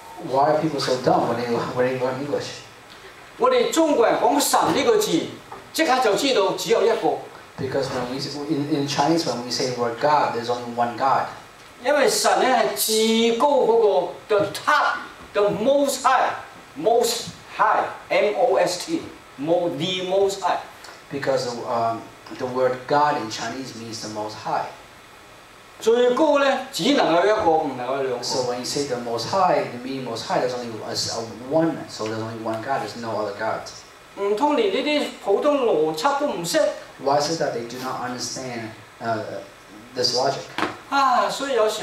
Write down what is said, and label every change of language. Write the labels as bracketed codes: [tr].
[en] Why are people so dumb when they learn English? [yue] 我哋中國人講神呢個字。即刻就知道只有一個。Because [en] when we in Chinese when we say the word God, there's only one God. [yue] 因為神咧係至高嗰個 [en] the top, the most high, [yue] most high, M O S T, the most high. [en] Because the word God in Chinese means the most high. [yue] 最高咧只能有一個，唔能夠兩個。 [en] So when you say the most high, the meaning most high, there's only one. So there's only one God. There's no other gods. [yue] 唔通連呢啲普通邏輯都唔識 [en] ？Why is it that they do not understand this logic？